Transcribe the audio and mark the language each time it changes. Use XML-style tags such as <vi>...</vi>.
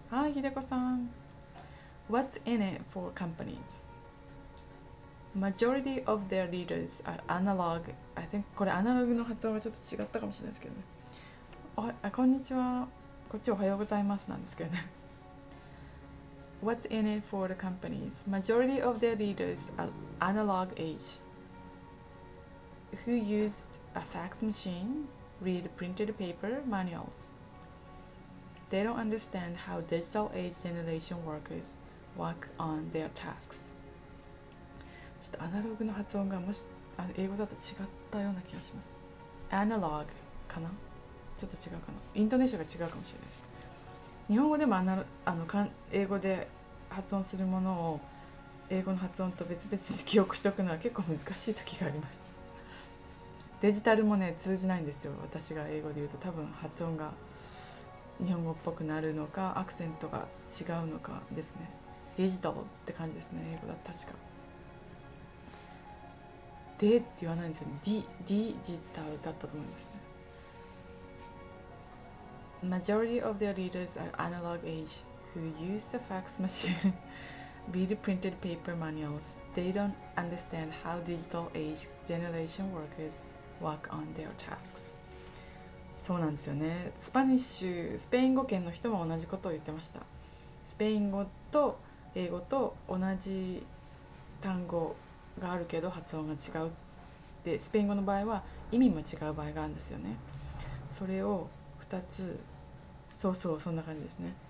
<ja>はい、ひでこさん。</ja> <en>What's in it for companies。 Majority of their leaders are analog。 I think</en> <ja>これアナログの発音がちょっと違ったかもしれないですけどね。あ、こんにちは、こっちおはようございますなんですけどね。</ja> <en>What's in it for the companies? Majority of their leaders are analog age, who used a fax machine, read printed paper manuals. They don't understand how digital age generation workers work on their tasks.</en> <ja>ちょっとアナログの発音がもし英語だと違ったような気がします。 Analog かな？ちょっと違うかな？イントネーションが違うかもしれないです。日本語でもあの英語で発音するものを英語の発音と別々に記憶しておくのは結構難しい時があります。デジタルもね通じないんですよ、私が英語で言うと。多分発音が日本語っぽくなるのかアクセントが違うのかですね。デジタルって感じですね、英語だと確か。でって言わないんですよね、ディジタルだったと思いますね。</ja> <en>Majority of their leaders are analog age, who use the fax machine, read printed paper manuals. They don't understand how digital age generation workers work on their tasks.</en> <ja>そうなんですよね。スパニッシュ、スペイン語圏の人も同じことを言ってました。スペイン語と英語と同じ単語があるけど発音が違う。で、スペイン語の場合は意味も違う場合があるんですよね。それを2つ、そうそう、そんな感じですね。</ja>